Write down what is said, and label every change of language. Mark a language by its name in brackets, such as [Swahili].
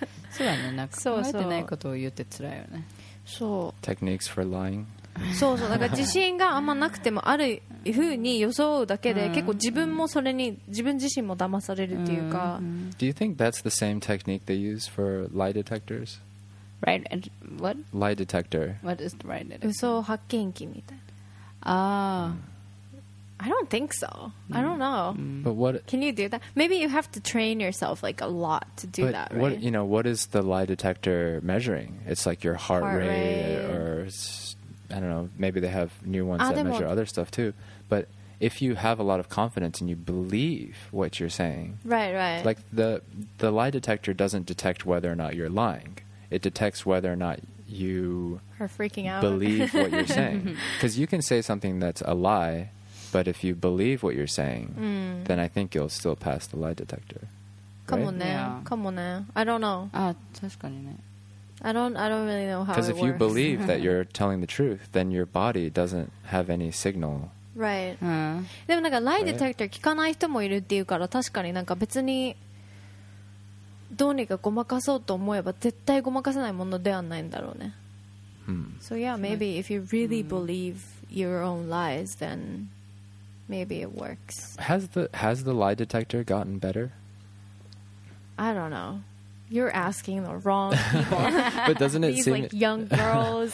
[Japanese] そうだね、なんか考えてないことを言って辛いよね。そう。 [English] Techniques for lying。 [Japanese] そうそう、だから自信があんまなくてもあるふうに装うだけで、結構自分もそれに自分自身も騙されるっていうか。 [English] Do you think that's the same technique they use for lie detectors? Right, and what? Lie detector. What is the lie detector? [Japanese] 嘘発見器みたいな。ああ。 [English] I don't think so. I don't know. But what? Can you do that? Maybe you have to train yourself like a lot to do but that, right? What, you know, what is the lie detector measuring? It's like your heart rate or, I don't know, maybe they have new ones that measure other stuff too. But if you have a lot of confidence and you believe what you're saying. Right, right. Like the lie detector doesn't detect whether or not you're lying. It detects whether or not you are freaking out. Believe what you're saying. Because you can say something that's a lie, but if you believe what you're saying, then I think you'll still pass the lie detector. Come on now. Come on now. I don't know. [Japanese] Ah, 確かにね。 [English] I don't really know how it works. Because if you believe that you're telling the truth, then your body doesn't have any signal. Right. [Japanese] でもなんか lie detector 聞かない人もいるっていうから、確かになんか別にどうにかごまかそうと思えば絶対ごまかせないものではないんだろうね。 [English] So yeah, maybe if you really believe your own lies, then... Maybe it works. Has the lie detector gotten better? I don't know. You're asking the wrong people. But doesn't it These, seem... These, like, young girls.